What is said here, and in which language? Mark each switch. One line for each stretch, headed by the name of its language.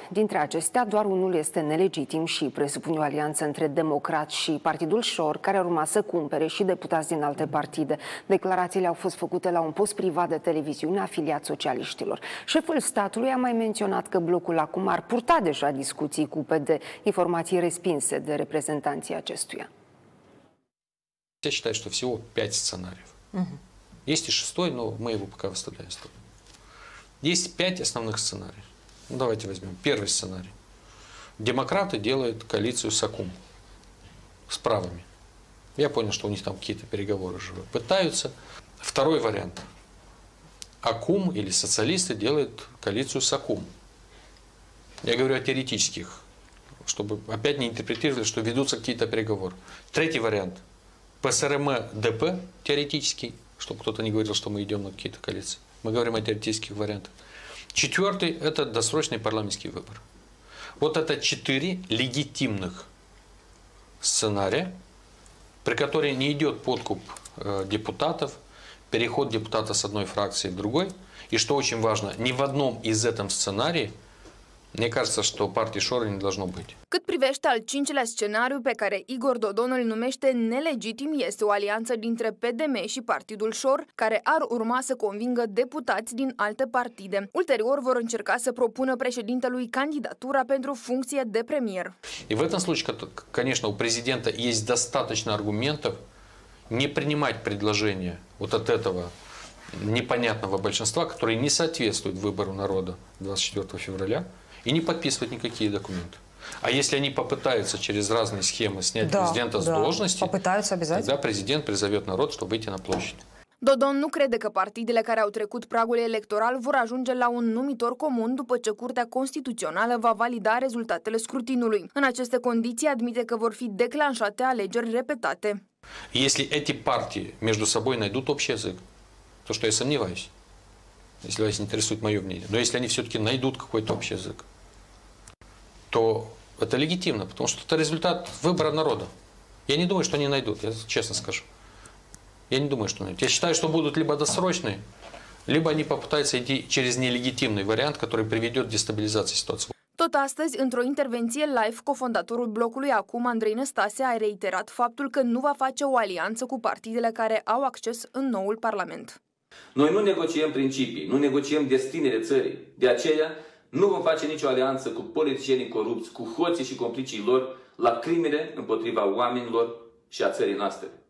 Romanian: Dintre acestea, doar unul este nelegitim și presupune o alianță între democrați și Partidul Șor, care urma să cumpere și deputați din alte partide. Declarațiile au fost făcute la un post privat de televiziune afiliat socialiștilor. Șeful statului a mai menționat că blocul acum ar purta deja discuții cu PD, informații respinse de reprezentanții acestuia.
Russian: Se считаю, что всего 5 сценариев. Есть и шестой, но мы его пока выставляем в сторону. Есть 5 основных сценариев. Ну, давайте возьмем первый сценарий. Демократы делают коалицию с АКУМ, с правыми. Я понял, что у них там какие-то переговоры живы. Пытаются. Второй вариант. АКУМ или социалисты делают коалицию с АКУМ. Я говорю о теоретических, чтобы опять не интерпретировали, что ведутся какие-то переговоры. Третий вариант. ПСРМ-ДП теоретический, чтобы кто-то не говорил, что мы идем на какие-то коалиции. Мы говорим о теоретических вариантах. Четвертый – это досрочный парламентский выбор. Вот это 4 легитимных сценария, при которой не идет подкуп депутатов, переход депутата с одной фракции в другой. И что очень важно, ни в одном из этом сценарии мне кажется, что партии Шора не должно быть.
Romanian: Cât privește al cincilea scenariu pe care Igor Dodon îl numește nelegitim, este o alianță dintre PDM și Partidul Șor, care ar urma să convingă deputați din alte partide. Ulterior vor încerca să propună președintelui candidatura pentru funcție de premier.
Russian: И в этом случае, конечно, у президента есть достаточно аргументов не принимать предложение вот от этого непонятного большинства, которое не соответствует выбору народа 24 февраля. И не подписывать никакие документы. А если они попытаются через разные схемы снять президента с должности, попытаются обязательно. Тогда президент призовет народ, чтобы выйти на площадь.
Romanian: Dodon nu crede că partidele care au trecut pragul electoral vor ajunge la un numitor comun după ce Curtea Constituțională va valida rezultatele scrutinului. În aceste condiții admite că vor fi declanșate alegeri repetate.
Russian: Если эти партии между собой найдут общий язык, то что я сомневаюсь. Если вас интересует мое мнение, но если они все-таки найдут какой-то общий язык, то это легитимно, потому что это результат выбора народа. Я не думаю, что они найдут, я честно скажу. Я не думаю, что найдут. Я считаю, что будут либо досрочные, либо они попытаются идти через нелегитимный вариант, который приведет к дестабилизации ситуации.
Romanian: Tot astăzi, într-o intervenție live, cofondatorul blocului Acum, Andrei Năstase, a reiterat faptul că nu va face o alianță cu partidele care au acces în noul Parlament. Noi nu negociem principii, nu negociem destinele țării. De aceea nu vom face nicio alianță cu politicienii corupți, cu hoții și complicii lor la crimele împotriva oamenilor și a țării noastre.